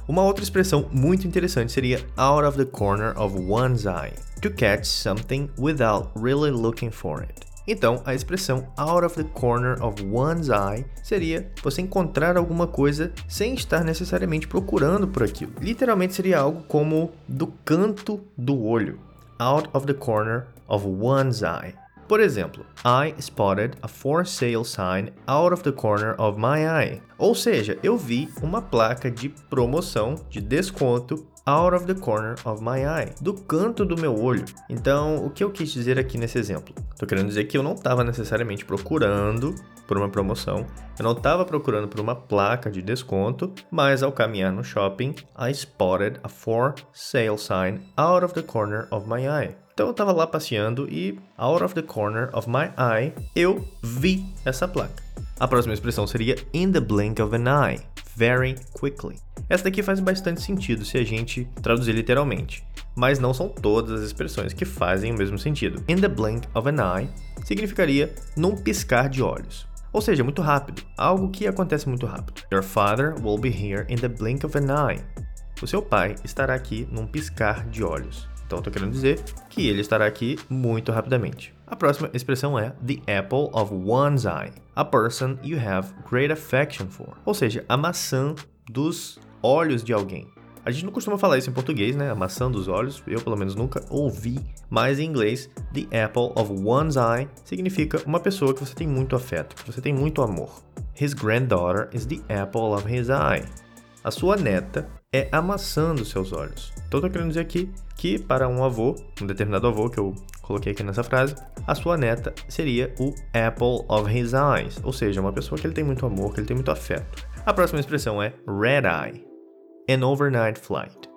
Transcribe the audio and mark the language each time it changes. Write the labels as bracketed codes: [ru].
[pt] Uma outra expressão muito interessante seria [en] out of the corner of one's eye, to catch something without really looking for it. [pt] Então, a expressão [en] out of the corner of one's eye [pt] seria você encontrar alguma coisa sem estar necessariamente procurando por aquilo. Literalmente seria algo como do canto do olho. [en] Out of the corner of one's eye. [pt] Por exemplo, [en] I spotted a for sale sign out of the corner of my eye. [pt] Ou seja, eu vi uma placa de promoção, de desconto, [en] out of the corner of my eye, [pt] do canto do meu olho. Então, o que eu quis dizer aqui nesse exemplo? Tô querendo dizer que eu não estava necessariamente procurando por uma promoção, eu não estava procurando por uma placa de desconto, mas ao caminhar no shopping, [en] I spotted a for sale sign out of the corner of my eye. [pt] Então eu tava lá passeando e, [en] out of the corner of my eye, [pt] eu vi essa placa. A próxima expressão seria [en] in the blink of an eye, very quickly. [pt] Essa daqui faz bastante sentido se a gente traduzir literalmente, mas não são todas as expressões que fazem o mesmo sentido. [en] In the blink of an eye [pt] significaria num piscar de olhos. Ou seja, muito rápido, algo que acontece muito rápido. [en] Your father will be here in the blink of an eye. [pt] O seu pai estará aqui num piscar de olhos. Então, eu tô querendo dizer que ele estará aqui muito rapidamente. A próxima expressão é [en] the apple of one's eye, a person you have great affection for. [pt] Ou seja, a maçã dos olhos de alguém. A gente não costuma falar isso em português, né? A maçã dos olhos, eu pelo menos nunca ouvi. Mas em inglês, [en] the apple of one's eye [pt] significa uma pessoa que você tem muito afeto, que você tem muito amor. [en] His granddaughter is the apple of his eye. [pt] A sua neta é a maçã dos seus olhos. Então, eu tô querendo dizer aqui que para um avô, um determinado avô que eu coloquei aqui nessa frase, a sua neta seria o [en] apple of his eyes, [pt] ou seja, uma pessoa que ele tem muito amor, que ele tem muito afeto. A próxima expressão é [en] red eye, an overnight flight.